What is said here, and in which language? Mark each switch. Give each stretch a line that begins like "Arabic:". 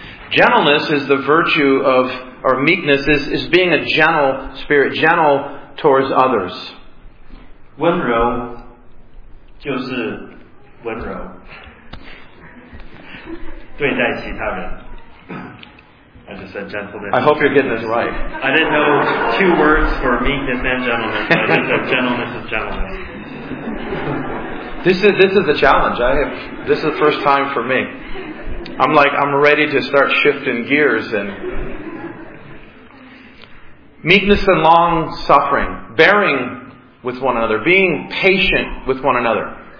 English: Gentleness is the virtue of, or meekness is being a gentle spirit, gentle towards others.
Chinese: 温柔就是温柔, 对待其他人.
English: I just said gentleness. I hope you're getting this right. I didn't know two words for meekness and gentleness, but I just said gentleness is gentleness. This is a challenge. This is the first time for me. I'm ready to start shifting gears. And meekness and long suffering, bearing with one another, being patient with one another.